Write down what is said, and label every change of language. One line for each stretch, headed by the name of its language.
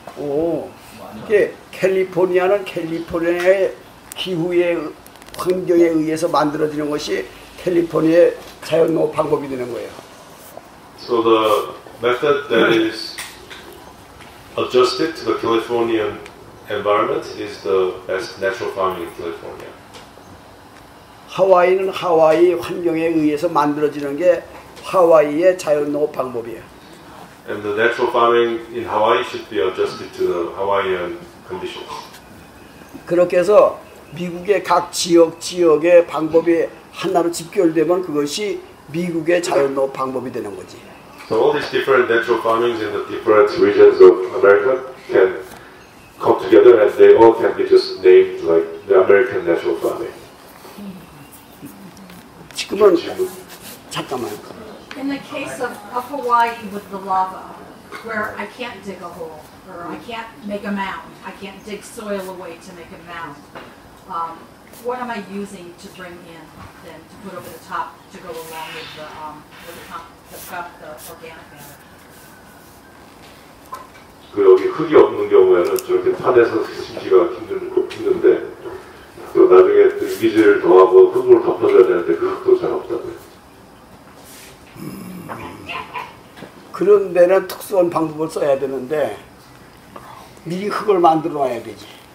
Korean: 오 이게 캘리포니아는 캘리포니아의 기후의 환경에 의해서 만들어지는 것이 캘리포니아의 자연농업 방법이 되는 거예요.
English: So the method that is adjusted to the Californian environment is the best natural farming in California.
Korean: 하와이는 하와이 환경에 의해서 만들어지는 게 하와이의 자연농업 방법이에요.
English: And the natural farming in Hawaii should be adjusted to the Hawaiian conditions.
Korean: 그렇게 해서 미국의 각 지역의 방법이 하나로 집결되면 그것이 미국의 자연농업 방법이 되는 거지.
English: So all these different natural farmings in the different regions of America can come together and they all can be just named like the American natural farming.
Korean: 지금은 잠깐만.
English: In the case of Hawaii with the lava, where I can't dig a hole or I can't make a mound, I can't dig soil away to make a mound. What am I using to bring in then to put over the top to go along with the organic matter?
Korean: 그 여기 흙이 없는 경우에는 저렇게 파내서 심지가 힘든데 또 나중에 또 유기질을 더하고 흙을 덮어줘야 되는데 그 흙도 잘 없다고요. 그런 데는 특수한 방법을 써야 되는데 미리 흙을 만들어 놔야 되지.